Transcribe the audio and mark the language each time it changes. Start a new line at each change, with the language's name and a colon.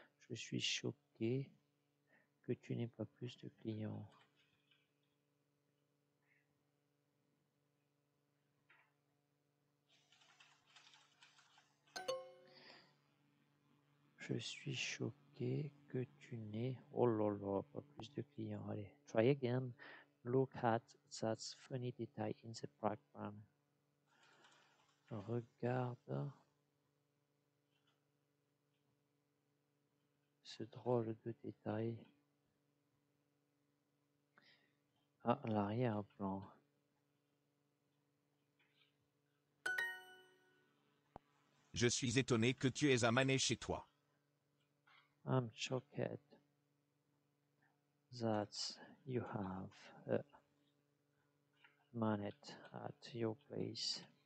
French: Je suis choqué que tu n'aies pas plus de clients. Je suis choqué que tu n'aies, oh là là, pas plus de clients.
English: Allez, try again. Look at that funny detail in the background.
French: Regarde ce drôle de détail à l'arrière-plan. Je suis étonné que tu aies un manège chez toi.
English: I'm shocked that you have a manet at your place.